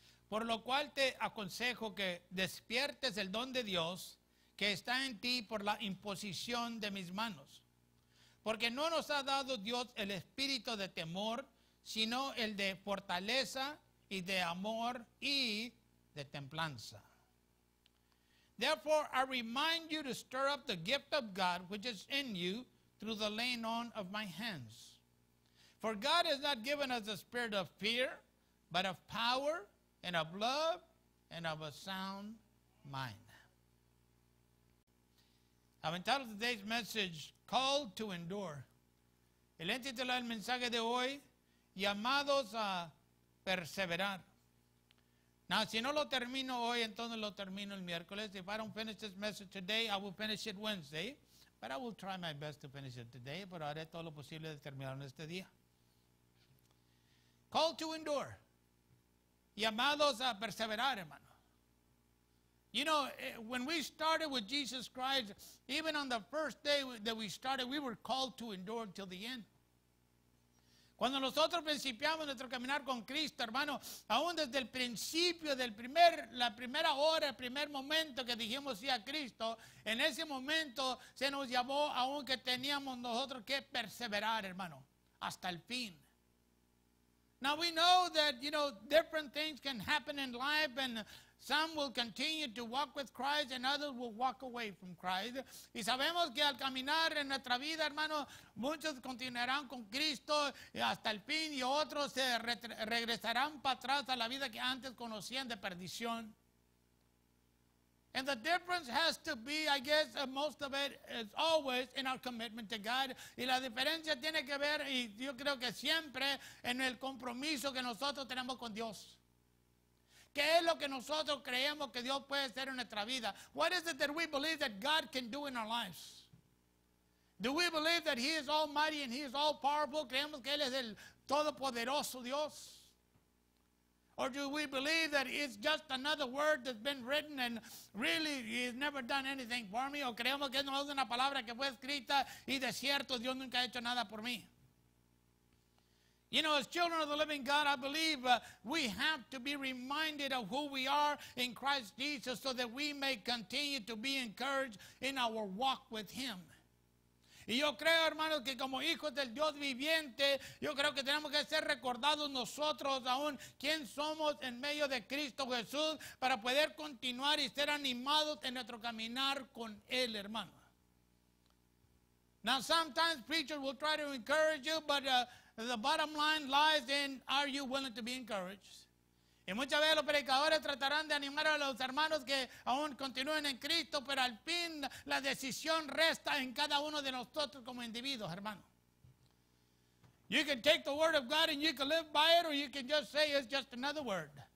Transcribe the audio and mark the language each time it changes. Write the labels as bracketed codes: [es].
[es] Por lo cual te aconsejo que despiertes el don de Dios que está en ti por la imposición de mis manos. Porque no nos ha dado Dios el espíritu de temor, sino el de fortaleza y de amor y de templanza. [en] Therefore, I remind you to stir up the gift of God which is in you through the laying on of my hands. For God has not given us a spirit of fear, but of power and of love and of a sound mind. I've entitled today's message, Called to Endure. [es] El título del mensaje de hoy, Llamados a Perseverar. Now, si no lo termino hoy, entonces lo termino el miércoles. [en] If I don't finish this message today, I will finish it Wednesday. But I will try my best to finish it today. [es] Pero haré todo lo posible de terminarlo en este día. [en] Called to endure. [es] Llamados a perseverar, hermano. [en] You know, when we started with Jesus Christ, even on the first day that we started, we were called to endure until the end. [es] Cuando nosotros principiamos nuestro caminar con Cristo, hermano, aún desde el principio, la primera hora, el primer momento que dijimos sí a Cristo, en ese momento se nos llamó, aunque teníamos nosotros que perseverar, hermano, hasta el fin. [en] Now we know that, you know, different things can happen in life and some will continue to walk with Christ and others will walk away from Christ. [es] Y sabemos que al caminar en nuestra vida, hermano, muchos continuarán con Cristo hasta el fin y otros se regresarán para atrás a la vida que antes conocían de perdición. [en] And the difference has to be, I guess, most of it is always in our commitment to God. [es] Y la diferencia tiene que ver, y yo creo que siempre, en el compromiso que nosotros tenemos con Dios. ¿Qué es lo que nosotros creemos que Dios puede hacer en nuestra vida? [en] What is it that we believe that God can do in our lives? Do we believe that He is almighty and He is all powerful? [es] ¿Creemos que Él es el todopoderoso Dios? [en] Or do we believe that it's just another word that's been written and really He's never done anything for me? [es] ¿O creemos que no es una palabra que fue escrita y de cierto Dios nunca ha hecho nada por mí? [en] You know, as children of the living God, I believe we have to be reminded of who we are in Christ Jesus so that we may continue to be encouraged in our walk with Him. [es] Y yo creo, hermanos, que como hijos del Dios viviente, yo creo que tenemos que ser recordados nosotros aún quién somos en medio de Cristo Jesús para poder continuar y ser animados en nuestro caminar con Él, hermano. [en] Now, sometimes preachers will try to encourage you, but the bottom line lies in, are you willing to be encouraged? [es] Y muchas veces los predicadores tratarán de animar a los hermanos que aún continúen en Cristo, pero al fin la decisión resta en cada uno de nosotros como individuos, hermano. [en] You can take the word of God and you can live by it, or you can just say it's just another word.